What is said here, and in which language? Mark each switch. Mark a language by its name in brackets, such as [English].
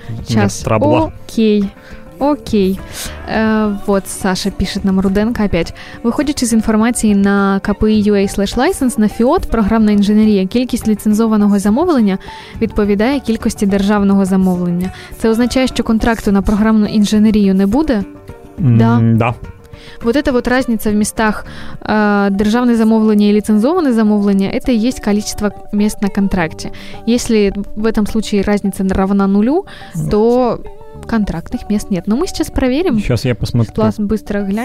[Russian] Сейчас, окей. Окей. Вот Саша пишет нам, Руденко опять. [Ukrainian] Виходячи з інформації на kpi.ua/license, на FIOT, програмна інженерія, кількість ліцензованого замовлення відповідає кількості державного замовлення. Це означає, що контракту на програмну інженерію не буде? [Russian] Да. Да. Вот эта вот разница в местах державное замовлення и лицензованное замовлення, это и есть количество мест на контракте. Если в этом случае разница равна нулю, то контрактных мест нет. Но мы сейчас проверим. Сейчас я посмотрю. Класс, быстро глянем.